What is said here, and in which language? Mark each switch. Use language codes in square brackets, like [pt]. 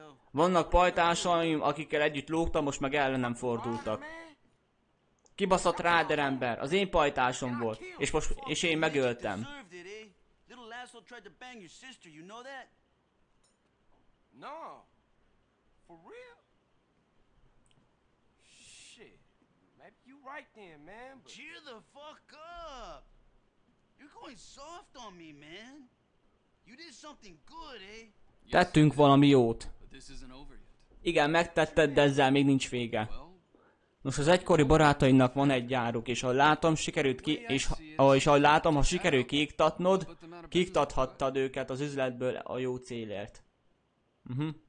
[hu] Vannak pajtársaim, akikkel együtt lógtam, most meg ellenem fordultak. Kibaszott Ráder ember, az én pajtásom volt, és én megöltem. [en] Lasso tried to bang your sister, you know that? No. For real? Shit. Maybe you right then, man. But... Cheer the fuck up. You're going soft on me, man. You did something good, eh? [hu] Tettünk valami jót. Igen, megtetted, de ezzel még nincs vége. Nos, az egykori barátainak van egy gyáruk, és ahogy látom, sikerült ki, és ahogy látom, ha sikerült kiiktatnod, kiiktathattad őket az üzletből a jó célért. Uh-huh.